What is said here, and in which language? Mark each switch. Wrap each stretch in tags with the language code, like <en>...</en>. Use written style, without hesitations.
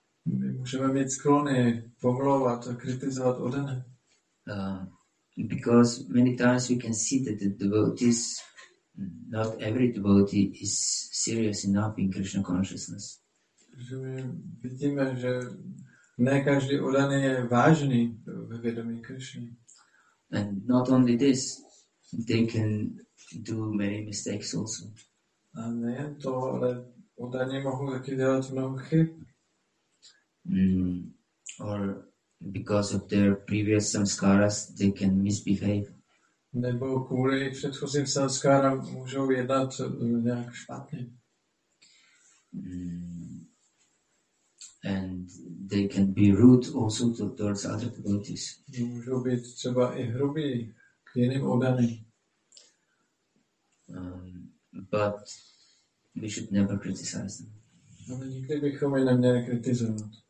<cs>My můžeme mít sklony pomlouvat a kritizovat oddané.</cs> <en>Because many times we can see that the devotees, not every devotee is serious enough in Krishna consciousness.</en> <cs>Vidíme, že ne každý udaný je vážný ve vědomí Krishny.</cs> <en>And not only this, they can do many mistakes also.</en> <cs>A nejen to, ale udaní mohou taky dělat mnoho chyb.</cs> <en>Or because of their previous samskaras, they can misbehave.</en> <cs>Nebo kvůli předchozím samskaram můžou jednat nějak špatně.</cs> <en>and they can be rude also towards other devotees.</en> <cs>Můžou být třeba i hrubí k jiným oddaným.</cs> <en>But we should never criticize them.</en> <cs>Ale nikdy bychom je neměli kritizovat.</cs>